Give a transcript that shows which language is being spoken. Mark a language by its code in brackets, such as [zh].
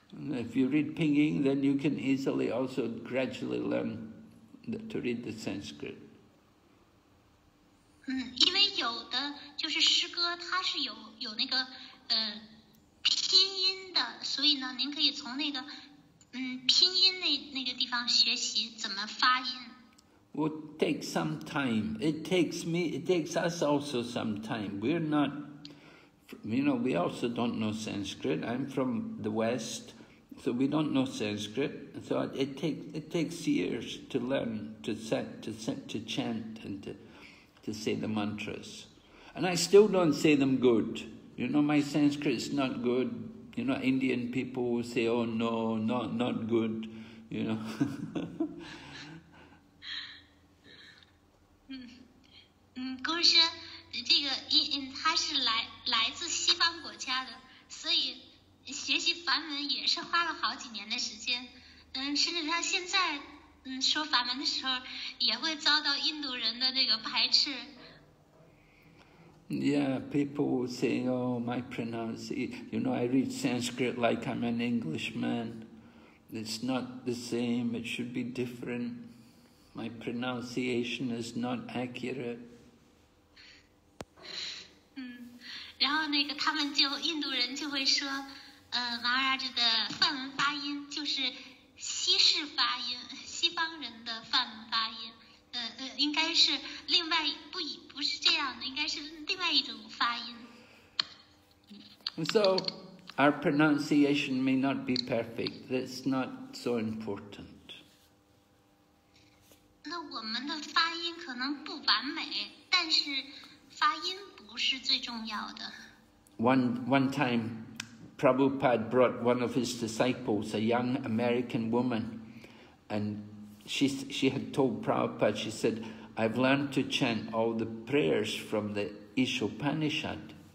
[en] If you read Pinyin, then you can easily also gradually learn to read the Sanskrit. [zh] 因为有的就是诗歌，它是有那个拼音的，所以呢，您可以从那个拼音那个地方学习怎么发音。 [en] Would take some time. It takes us also some time. We're not, you know, we also don't know Sanskrit. I'm from the West, so we don't know Sanskrit. So it takes years to learn to chant and to say the mantras. And I still don't say them good. You know, my Sanskrit is not good. You know, Indian people will say, oh no, not good, you know. [zh] 故事这个他是来自西方国家的，所以学习梵文也是花了好几年的时间，甚至他现在说梵文的时候也会遭到印度人的那个排斥。 [en] Yeah, people will say, oh, my pronunciation, you know, I read Sanskrit like I'm an Englishman. It's not the same, it should be different. My pronunciation is not accurate. [zh] 然后那个他们就印度人就会说，马尔拉这的梵文发音就是西式发音，西方人的梵文发音，应该是另外不是这样的，应该是另外一种发音。 [en] So our pronunciation may not be perfect. That's not so important. [zh] 那我们的发音可能不完美，但是发音不是最重要的。 [en] One time, Prabhupada brought one of his disciples, a young American woman, and she had told Prabhupada, she said, I've learned to chant all the prayers from the Ishopanishad.